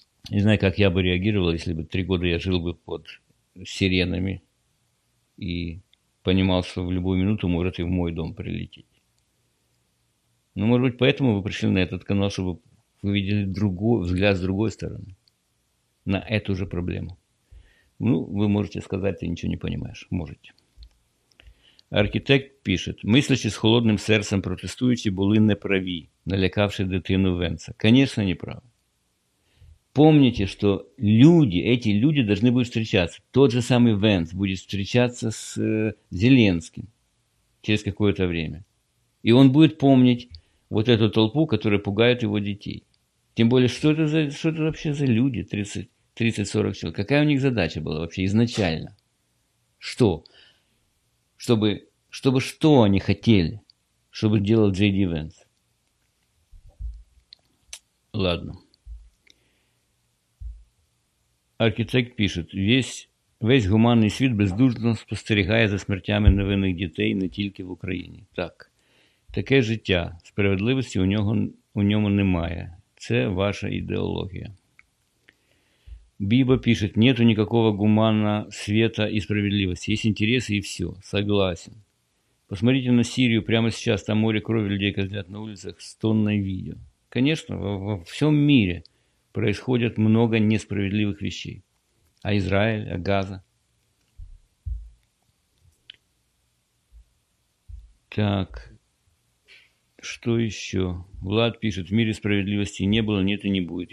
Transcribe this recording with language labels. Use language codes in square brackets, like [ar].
[ru] Не знаю, как я бы реагировал, если бы 3 года я жил бы под сиренами и понимал, что в любую минуту может и в мой дом прилететь. Ну, может быть, поэтому вы пришли на этот канал, чтобы вы видели другой взгляд с другой стороны на эту же проблему. Ну, вы можете сказать, ты ничего не понимаешь. Можете. [uk] Архітект пише, мислячи з холодним серцем, протестуючи, були неправі, налякавши дитину Венца. Звісно, неправі. Помніть, що ці люди повинні будуть зустрічатися. Той же самий Венц буде зустрічатися з Зеленським через якесь час. І він буде пам'ятати ось цю толпу, яка пугає його дітей. [ru] Тем более, что это вообще за люди, 30-40 человек? Какая у них задача была вообще изначально? Что? Чтобы что они хотели? Чтобы делал J.D. Vance? Ладно. Архитект пишет, [uk] весь гуманний світ бездушно спостерігає за смертями невинних дітей не тільки в Україні. Так, таке життя, справедливості у ньому немає. Це ваша ідеологія. Біба пише, нету ніякого гуманного світу і справедливості. Є інтереси і все. [ru] Согласен. Посмотрите [uk] на Сирію прямо зараз, там море крові людей казнять на вулицях, стонне відео. [ru] Конечно, во всем мире происходит много несправедливых вещей. А Израиль, а Газа? Так, что еще? Влад пишет, в мире справедливости не было, нет и не будет.